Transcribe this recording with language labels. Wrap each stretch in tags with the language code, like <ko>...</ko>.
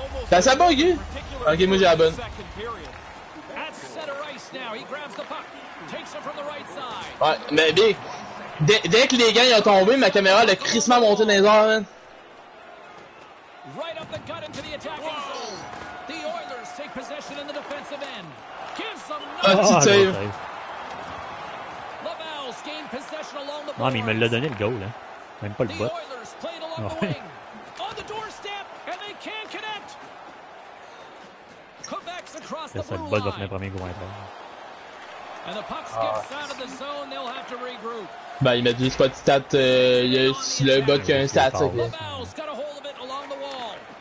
<fr>T'as ça bugué? Ok, moi j'ai la bonne. Ouais, mais Big, dès que les gars ils ont tombé, ma caméra elle a crissement monté dans les airs, man.</fr> <en>Right up the gut into the attacking zone. The Oilers take possession in the defensive end. Give some nice save. Laval's gain possession along the</en> <fr>board. Non, mais il me l'a donné le goal, hein. Même pas le bot.</fr> <en>The Oilers played along the wing. On the doorstep, and they can't connect. Quebec's across the blue line.</en> <fr>Le premier goal.</fr> <en>And the puck skips out of the zone, they'll have to regroup.</en> <fr>Ben, ils mettent juste pas de stat, il y a juste le bot qui a un stat, ça.</fr> <en>Laval's got a hold of it along the wall.</en>